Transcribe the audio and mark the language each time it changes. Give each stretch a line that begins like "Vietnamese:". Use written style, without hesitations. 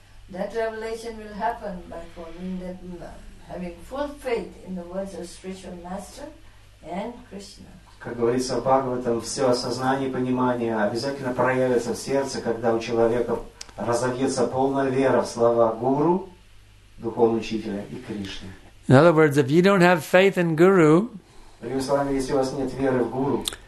English: That revelation will happen by following the Guru, having full faith in the words of spiritual master and Krishna.
Russian: Как говорится в Бхагаватам, все осознание и понимание обязательно проявится в сердце, когда у человека разовьется полная вера в слова Гуру, Духовного Учителя и Кришны.
English: In other words, if you don't have faith in Guru,
Russian: другими словами, если у вас нет веры в Гуру,